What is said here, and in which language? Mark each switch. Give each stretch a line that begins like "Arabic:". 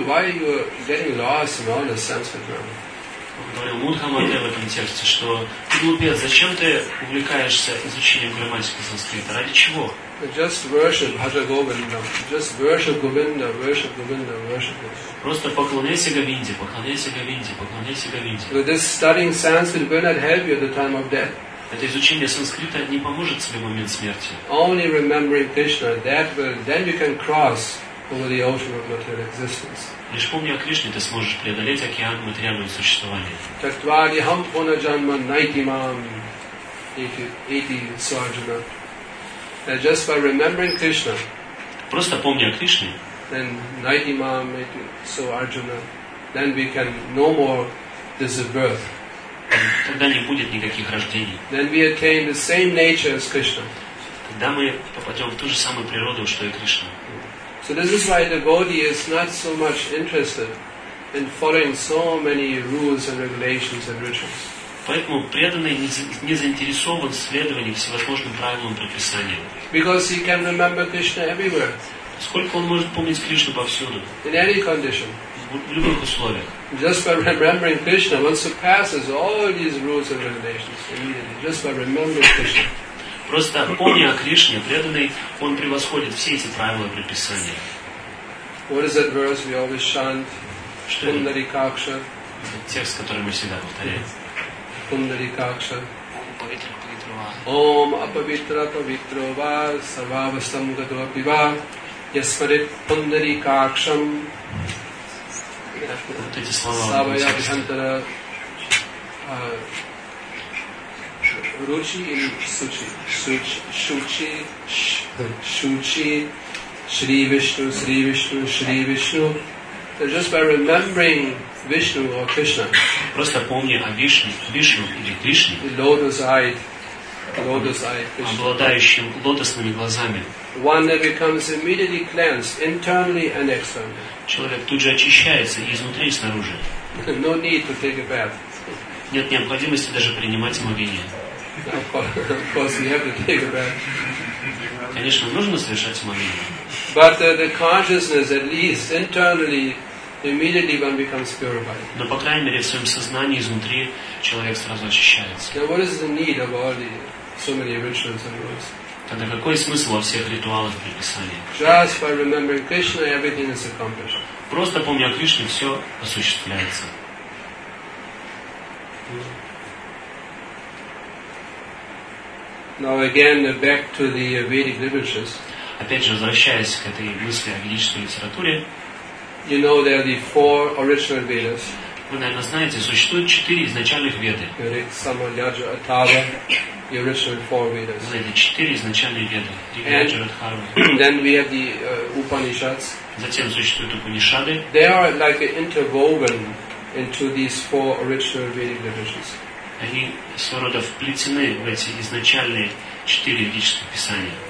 English: Why are you getting lost in all the Sanskrit grammar?
Russian: Он говорил Мудхамате в этом тексте, что ты глупец, зачем ты увлекаешься изучением грамматики санскрита? Ради чего?
English: Just worship Bhaja Govinda. Just worship Govinda, worship Govinda, worship Govinda.
Russian: Просто поклоняйся Говинде, поклоняйся Говинде, поклоняйся Говинде.
English: But this studying Sanskrit will not help you at the time of death.
Russian: Это изучение санскрита не поможет тебе в момент смерти.
English: Only remembering Krishna, that will, then you can cross over the ocean of material existence.
Russian: Лишь помня о Кришне, ты сможешь преодолеть океан материального существования.
Sanskrit: Tattvādi ham puna janma naiti mām iti sārjana.
English: And just by remembering Krishna.
Russian: Просто помня о Кришне.
English: Then
Sanskrit: naiti mām iti so Arjuna.
English: Then we can no more this birth.
Russian: Тогда не будет никаких рождений.
English: Then we attain the same nature as Krishna.
Russian: Тогда мы попадем в ту же самую природу, что и Кришна.
English: So this is why the devotee is not so much interested in following so many rules and regulations and rituals.
Russian: Поэтому преданный не заинтересован в следовании всевозможным правилам и предписаниям.
English: Because he can remember Krishna everywhere.
Russian: Сколько он может помнить Кришну повсюду?
English: In any condition.
Russian: В любых условиях.
English: Just by remembering Krishna, one surpasses all these rules and regulations immediately. Just by remembering Krishna.
Russian: Просто помня о Кришне, преданный, он превосходит все эти правила и предписания.
English: What is that verse we always chant? Пундарикакша.
Russian: Текст, который мы всегда повторяем. Пундарикакша.
Sanskrit: Ом апавитра павитрова сарвавастам гадва пива ясварит пундарикакшам.
Russian: Вот эти слова.
Sanskrit: Савая бхантара ручи или сучи? Сучи. Шучи. Шри Вишну, Шри Вишну, Шри Вишну.
English: They're just by remembering Vishnu or Krishna.
Russian: Просто помни о Вишну или Кришне.
English: The lotus-eyed, lotus-eyed Krishna.
Russian: Обладающим лотосными глазами.
English: One that becomes immediately cleansed internally and externally.
Russian: Человек тут же очищается и изнутри, и снаружи.
English: No need to take a bath.
Russian: Нет необходимости даже принимать омовение.
English: Of course, you have to take a bath.
Russian: Конечно, нужно совершать омовение.
English: But the consciousness, at least internally, immediately one becomes purified.
Russian: Но по крайней мере в своем сознании изнутри человек сразу очищается.
English: Now, what is the need of all the so many rituals and rules?
Russian: Тогда какой смысл во всех ритуалах предписания?
English: Just by remembering Krishna, everything is accomplished.
Russian: Просто помня о Кришне, все осуществляется.
English: Now again, back to the Vedic literatures.
Russian: Опять же, возвращаясь к этой мысли о ведической литературе,
English: you know, there are the four original Vedas.
Russian: Вы, наверное, знаете, существует четыре изначальных Веды.
English: Then we have the Upanishads.
Russian: Затем существуют Упанишады.
English: They are like interwoven into these four original Vedic literatures.
Russian: Они своего рода вплетены в эти изначальные четыре ведических писания.